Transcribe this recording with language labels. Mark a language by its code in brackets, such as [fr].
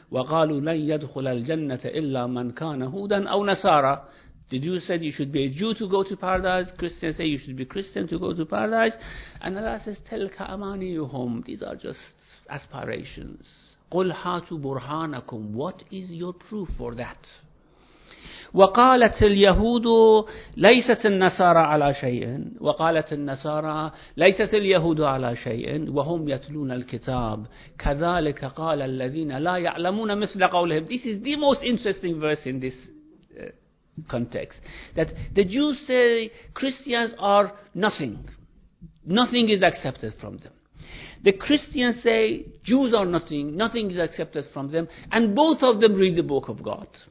[ar] وَقَالُوا لَنْ يَدْخُلَ الْجَنَّةَ إِلَّا مَنْ كَانَ هُودًا أَوْ نَصَارَى. [en] The Jews said you should be a Jew to go to paradise. Christians say you should be Christian to go to paradise. And Allah says, [ar] تَلْكَ أَمَانِيُهُمْ. [en] These are just aspirations. [ar] قُلْ هَاتُوا بُرْهَانَكُمْ. [en] What is your proof for that? [ar] وقالت اليهود ليست النصارى على شيء وقالت النصارى ليست اليهود على شيء وهم يتلون الكتاب كذلك قال الذين لا يعلمون مثل قولهم. [en] This is the most interesting verse in this context, that the Jews say Christians are nothing is accepted from them. The Christians say Jews are nothing is accepted from them, and both of them read the book of God.